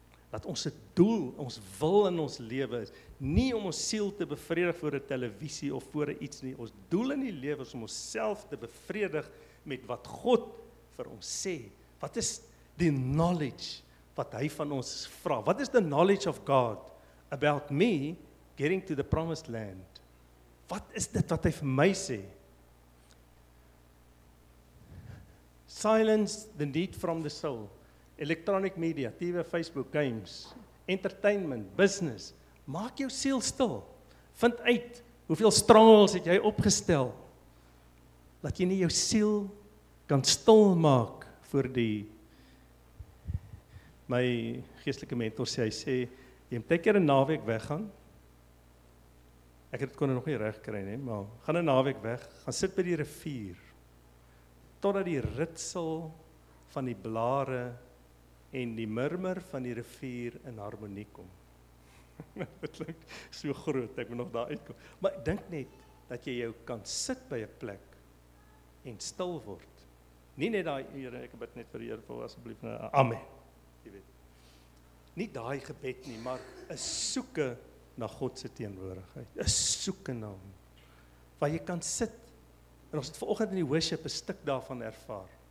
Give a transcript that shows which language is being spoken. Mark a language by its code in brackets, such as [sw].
[af] Dat ons het doel, ons wil in ons lewe is, nie om ons siel te bevredig voor die televisie of voor iets nie. Ons doel in die lewe is om ons self te bevredig met wat God vir ons sê. Wat is die knowledge wat hy van ons vra? Wat is [en] the knowledge of God about me getting to the promised land? [af] Wat is dit wat hy vir my sê? [en] Silence the need from the soul. Electronic media, TV, Facebook, games, entertainment, business. [af] Maak jou siel stil. Vind uit hoeveel strangles het jy opgestel. Dat jy nie jou siel kan stil maak voor die... My geestelike mentor sê, hy sê, jy moet een keer een naweek weggaan. Ek het kon nog nie reg kry nie, maar gaan een naweek weg. Gaan sit by die rivier. Totdat die ritsel van die blare en die murmur van die rivier in harmonie kom. Dit klink so groot, ek moet nog daar uitkom. Maar ek dink net, dat jy jou kan sit by 'n plek, en stil word. Nie net daai, Here, ek bid net vir die Here, asseblief, amen. Jy weet. Nie daai gebed nie, maar 'n soeke na God se teenwoordigheid. 'N soeke na hom. Waar jy kan sit, en ons het vanoggend in die worship, 'n stuk daarvan ervaar.